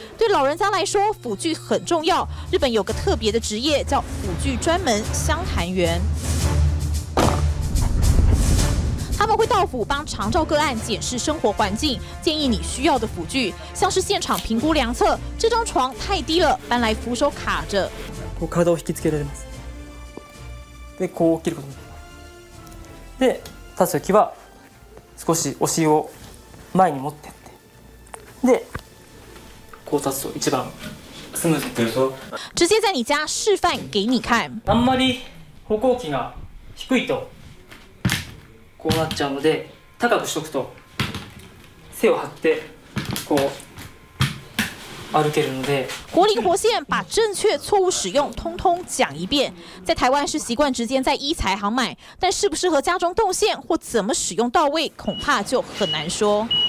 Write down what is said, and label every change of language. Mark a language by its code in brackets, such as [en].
[zh] 对老人家来说，辅具很重要。日本有个特别的职业叫辅具专门相谈员，他们会到府帮长照个案检视生活环境，建议你需要的辅具，像是现场评估量测，这张床太低了，搬来扶手卡着。 [ja] 体を引きつけられます。でこう切ることで立つときは少しお尻を前に持ってってでこう立つと一番スムーズです。 [zh] 直接在你家示范给你看。 [ja] あんまり歩行器が低いとこうなっちゃうので高くしとくと背を張ってこう。 [zh] 活灵活现，把正确错误使用通通讲一遍。在台湾是习惯直接在医材行买，但适不适合家中动线或怎么使用到位，恐怕就很难说。